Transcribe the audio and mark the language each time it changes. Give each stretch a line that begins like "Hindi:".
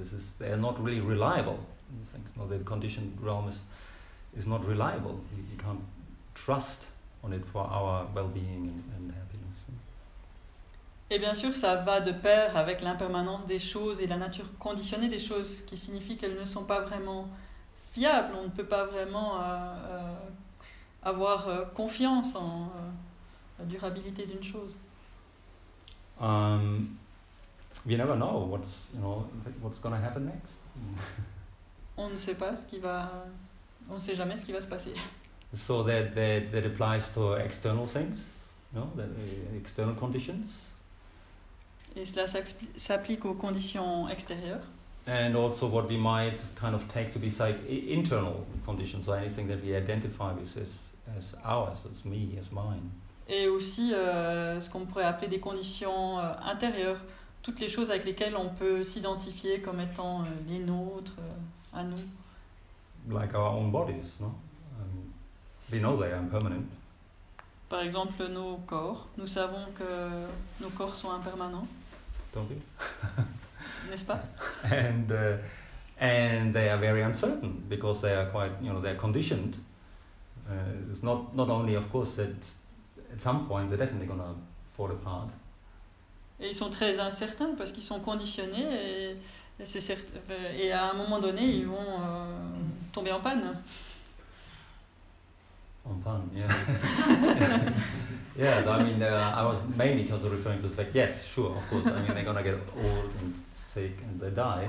English: This is, they are not really reliable. In a sense. No, the conditioned realm is not reliable. You can't trust on it for our well-being and happiness.
French: Et bien sûr, ça va de pair avec l'impermanence des choses et la nature conditionnée des choses, qui signifie qu'elles ne sont pas vraiment fiables. On ne peut pas vraiment avoir confiance en la durabilité d'une chose.
English: We never know what's going to happen next.
French: On ne sait pas ce qui va, on ne sait jamais ce qui va se passer.
English: So that applies to external things, external conditions.
French: Et cela s'applique aux conditions extérieures.
English: And also what we might kind of take to be like internal conditions, or anything that we identify with as ours, as me, as mine.
French: Et aussi ce qu'on pourrait appeler des conditions intérieures, toutes les choses avec lesquelles on peut s'identifier comme étant les nôtres, à nous.
English: Like our own bodies, no? We know they are impermanent.
French: Par exemple, nos corps. Nous savons que nos corps sont impermanents.
English: Don't we?
French: N'est-ce pas?
English: And they are very uncertain because they are quite, they are conditioned. It's not only, of course, that at some point they're definitely going to fall apart.
French: Et ils sont très incertains parce qu'ils sont conditionnés et c'est certain. Et à un moment donné, ils vont tomber en panne. En panne, yeah.
English: Yeah, but I mean, I was mainly because of referring to the fact. Yes, sure, of course. I mean, they're going to get old and sick and they die.